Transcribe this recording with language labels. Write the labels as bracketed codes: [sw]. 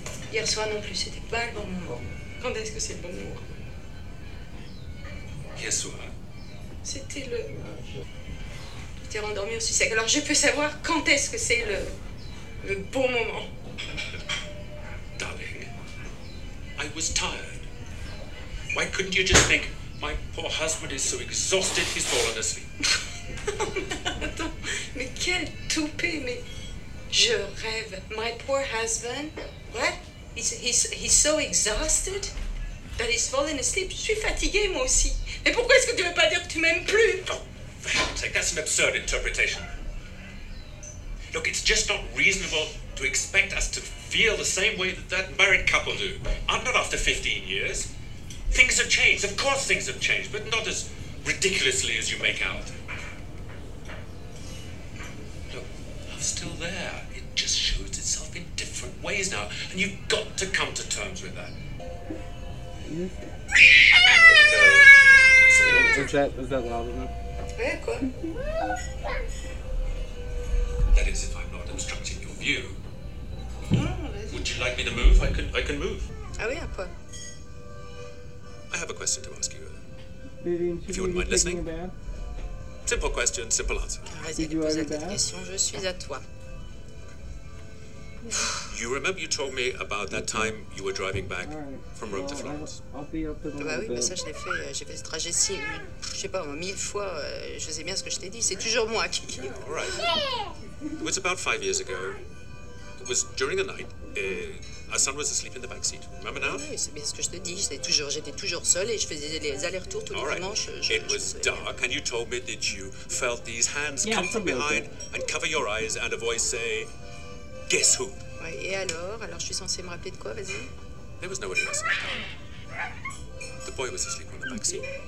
[fr] Hier soir non plus, c'était pas le bon moment. Quand est-ce que c'est le bon moment? Hier soir. C'était le. Tu t'es rendormi au sucre. Alors je peux savoir quand est-ce que c'est le bon moment? [en] Darling, I was tired. Why couldn't you just think, my poor husband is so exhausted he's fallen asleep? [fr] Attends, mais quelle toupée, mais je rêve. [en] My poor husband, what? He's so exhausted that he's fallen asleep. [fr] Je suis fatiguée, moi aussi. Mais pourquoi est-ce que tu veux pas dire que tu m'aimes plus? [en] Oh, for heaven's sake, that's an absurd interpretation. Look, it's just not reasonable to expect us to feel the same way that married couple do. I'm not after 15 years. Things have changed. Of course things have changed, but not as ridiculously as you make out. Still there. It just shows itself in different ways now, and you've got to come to terms with that. Is that loud enough? Yeah, good. That is, if I'm not obstructing your view. No, would you like me to move? I can move. Oh yeah, good. I have a question to ask you. If you wouldn't mind listening. Simple question, simple answer. Did you already ask? [fr] Je suis à toi. [en] You remember you told me about that time you were driving back from Rome to Florence? [fr] Ah bah oui, mais ça je l'ai fait. J'ai fait ce trajet-ci, je sais pas, mille fois. Je sais bien ce que je t'ai dit. C'est toujours moi qui. [en] All right. It was about 5 years ago. It was during the night. Our son was asleep in the back seat. Remember now? [fr] Oui, c'est bien ce que je te dis. J'étais toujours seule et je faisais les allers-retours tous les dimanches. [en] It was dark, and you told me that you felt these hands come from behind and cover your eyes, and a voice say, "Guess who?" [fr] Et alors je suis censée me rappeler de quoi, vas-y. [en] There was nobody else in the car. The boy was asleep on the back seat.